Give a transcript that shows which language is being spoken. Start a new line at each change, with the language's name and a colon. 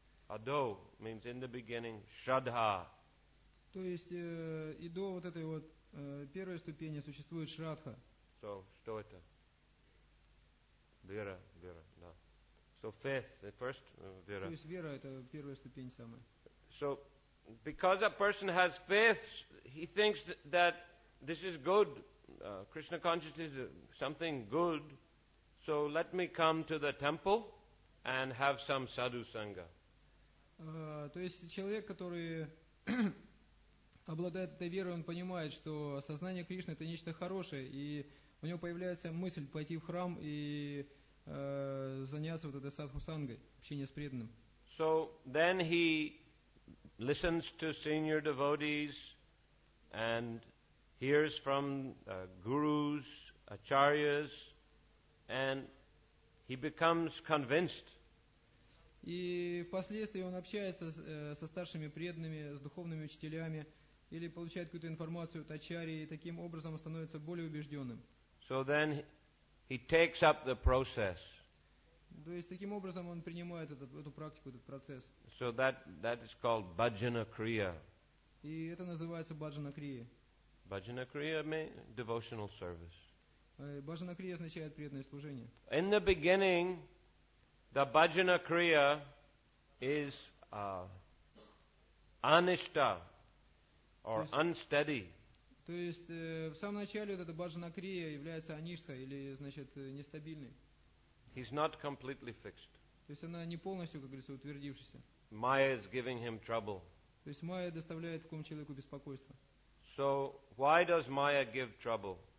English: Ado means in the beginning shadha.
Russian: То есть и до вот этой вот первой ступени существует шрадха. So, что это? Вера, вера, да.
English: So, faith, the first, вера.
Russian: То есть вера – это первая ступень самая.
English: So, because a person has faith, he thinks that this is good. Krishna consciousness is something good. So, let me come to the temple and have some sadhu sangha.
Russian: То есть человек, который обладает этой верой, он понимает, что сознание Кришны – это нечто хорошее, и у него появляется мысль пойти в храм и заняться вот этой садху-сангой, общение с преданным.
English: So, then he listens to senior devotees and hears from gurus, acharyas, and he becomes convinced.
Russian: И впоследствии он общается со старшими преданными, с духовными учителями, или получает какую-то информацию от ачарьи, и таким образом становится более убежденным.
English: So then he takes up the process.
Russian: То есть таким образом он принимает эту практику, этот процесс.
English: So that is called bhajana kriya.
Russian: И это называется bhajana kriya.
English: Bhajana kriya means devotional service.
Russian: Bhajana kriya означает преданное служение.
English: In the beginning, the bhajana kriya is anishta or unsteady.
Russian: То есть в самом начале вот эта баджана крия является аништха или значит нестабильной.
English: He's not completely fixed.
Russian: То есть она не полностью, как говорится, утвердившаяся.
English: Майя is giving him trouble.
Russian: То есть майя доставляет такому человеку беспокойство.
English: So why does Maya give trouble?